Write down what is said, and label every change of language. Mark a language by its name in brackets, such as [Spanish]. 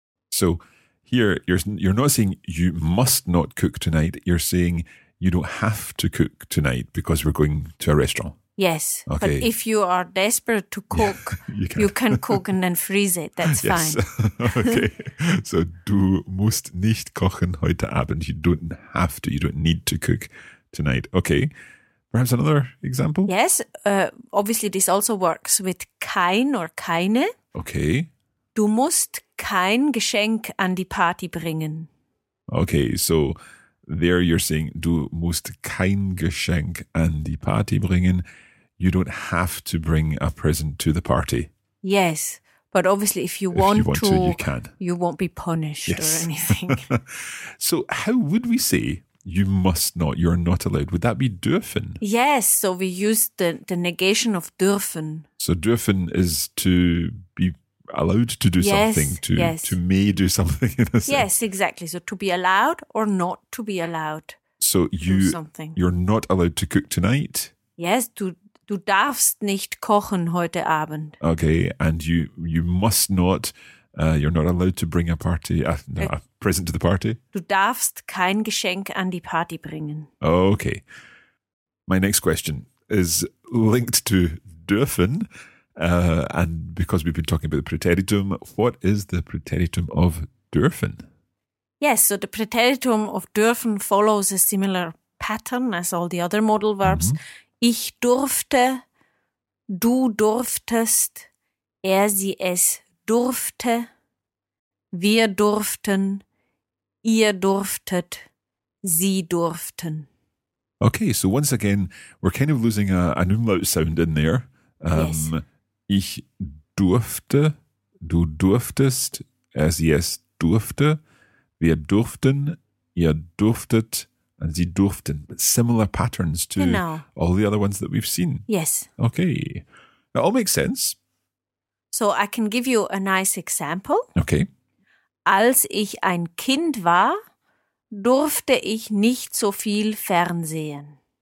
[English] So here you're not saying you must not cook tonight. You're saying you don't have to cook tonight because we're going to a restaurant. Yes, okay. But if you are desperate to cook, you can cook and then freeze it. That's fine. Okay, so [German] du musst nicht kochen heute Abend. [English] You don't have to, you don't need to cook tonight. Okay, perhaps another example? Yes, obviously this also works with kein or keine. Okay. [German] Du musst kein Geschenk an die Party bringen. [English] Okay, so there you're saying [German] du musst kein Geschenk an die Party bringen. [English] You don't have to bring a present to the party. Yes, but obviously if you want to, you can. You won't be punished yes. or anything. So how would we say you must not, you're not allowed? Would that be dürfen? Yes, so we use the negation of dürfen. So dürfen is to be allowed to do something, to may do something. Yes, exactly. So to be allowed or not to be allowed. So you're not allowed to cook tonight? Yes, [German] Du darfst nicht kochen heute Abend. [English] Okay, and you must not, you're not allowed to bring a present to the party. [German] Du darfst kein Geschenk an die Party bringen. [English] Okay. My next question is linked to dürfen, and because we've been talking about the preteritum, what is the preteritum of dürfen? Yes, so the preteritum of dürfen follows a similar pattern as all the other modal verbs. Mm-hmm. [German] Ich durfte, du durftest, er, sie, es durfte, wir durften, ihr durftet, Sie durften. [English] Okay, so once again, we're kind of losing an umlaut sound in there. Yes. [German] Ich durfte, du durftest, es durfte, wir durften, ihr durftet, [English] and [German] sie durften. [English] Similar patterns to all the other ones that we've seen. Yes. Okay. That all makes sense. So I can give you a nice example. Okay. [German] Als ich ein Kind war, durfte ich nicht so viel fernsehen.